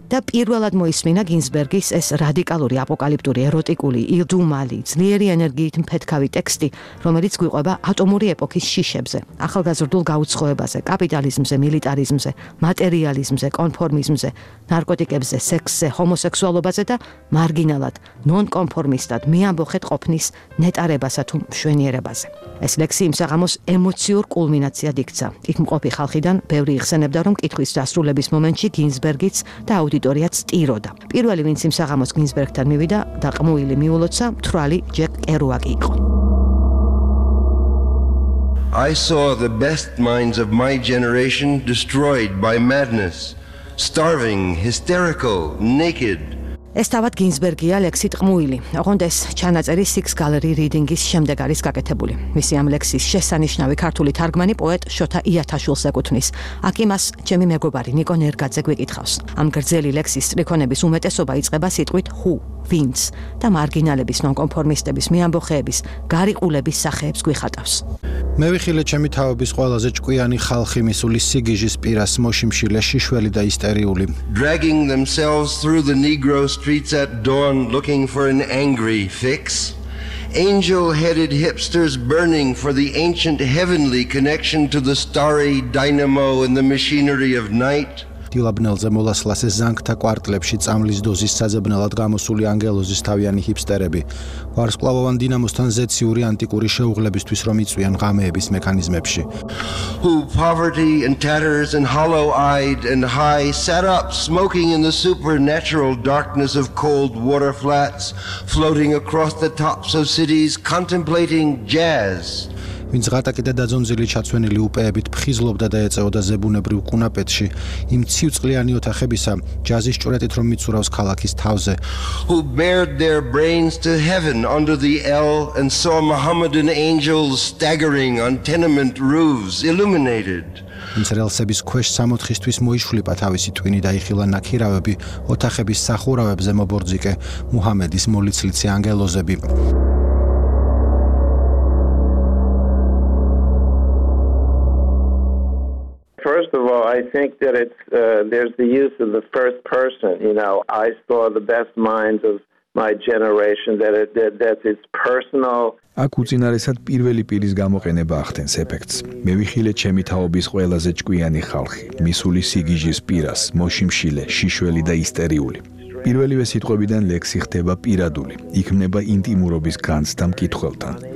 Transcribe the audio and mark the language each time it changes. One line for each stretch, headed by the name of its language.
Georgian: და პირველად მოისმინა გინსბერგის ეს რადიკალური, აპოკალიპტური, ეროტიკული, ირდუმალი, ძლიერი ენერგიით მფეთქავი ტექსტი, რომელიც გვიყვება ატომური ეპოქის შიშებზე, ახალგაზრდულ გაუცხოებაზე, კაპიტალიზმზე, მილიტარიზმზე, მატერიალიზმზე, კონფორმიზმზე, ნარკოტიკებზე, სექსზე, ჰომოსექსუალობაზე და მარგინალად, ნონკონფორმისტად, მეამბოხეთ ყოფნის ნეტარებასა თუ მშვენიერებაზე. ეს ლექსი იმ საღამოს ემოციურ კულმინაციად იქცა. იქ მყოფი ხალხიდან ბევრი იხსენებდა, რომ კითხვის დასრულების მომენტში გინსბერგიც და აუდიტორიაც ტიროდა. პირველი, ვინც იმ საღამოს გინსბერგთან მივიდა და ყმუილი მიულოცა, მთვრალი ჯეკ კერუაკი იყო.
English: I saw the best minds of my generation destroyed by madness, starving, hysterical, naked.
Georgian: ეს თავად გინსბერგია, ლექსი ტყმუილი. ოღონდ ეს ჩანაწერი Six Gallery Readings-ის შემდეგ არის გაკეთებული. მისი ამ ლექსის შესანიშნავი ქართული თარგმანი პოეტ შოთა იათაშვილს ეკუთვნის. აქ იმას ჩემი მეგობარი ნიკო ნერგაძე გვიკითხავს. ამ გრძელი ლექსის სტრიქონების უმეტესობა იწყება სიტყვით ჰუ, ვინც, და მარგინალების, ნონკონფორმისტების, მეამბოხეების, გარიყულების სახეებს გვიხატავს. მე ვიხილე ჩემი თაობის ყველაზე ჭკვიანი ხალხი, მისული სიგიჟის პირას, მოშიმშილე, შიშველი და ისტერიული.
English: Dragging themselves through the negro streets at dawn looking for an angry fix. Angel-headed hipsters burning for the ancient heavenly connection to the starry dynamo in the machinery of night.
Georgian: დილაბნელზე მოლასლასე ზანგთა კვარტლებში წამლის დოზის საზებნელად გამოსული ანგელოზის თავიანი ჰიპსტერები, ვარსკვლავოვან დინამოსთან ზეციური ანტიკური შეუღლებისთვის რომ იწვიან ღამეების მექანიზმებში.
English: Who poverty and tatters and hollow-eyed and high sat up smoking in the supernatural darkness of cold water flats floating across the tops of cities contemplating jazz.
Georgian: ვინც ღატაკი და დაძონძილი ჩაცვენილი უპეებით ფხიზლობდა და ეწეოდა ზებუნებრივ კუნაპეტში იმ ცივწყლიანი ოთახებისა, ჯაზის ჭურეთით რომ მიცურავს ქალაქის თავზე.
English: Who bared their brains to heaven under the L and saw Mohammedan angels staggering on tenement roofs illuminated.
Georgian: ვინც რელსების ქვეშ 60-ისთვის მოიშვლიპა თავისი ტვინი და იხილა ნაქირავები ოთახების სახურავებზე მობორძიკე მუჰამედის მოლიცლიცი ანგელოზები.
English: First of all, I think that there's the use of the first person, you know, I saw the best minds of my generation that it's personal.
Georgian: აქ უწინარესად პირველი პირის გამოყენება ახდენს ეფექტს. მე ვიხილე ჩემი თაობის ყველაზე ჭკვიანი ხალხი, მისული სიგიჟის პირას, მოშიმშილე, შიშველი და ისტერიული. პირველივე სიტყვებიდან ლექსი ხდება პირადული, იქმნება ინტიმურობის განცდა მკითხველთან.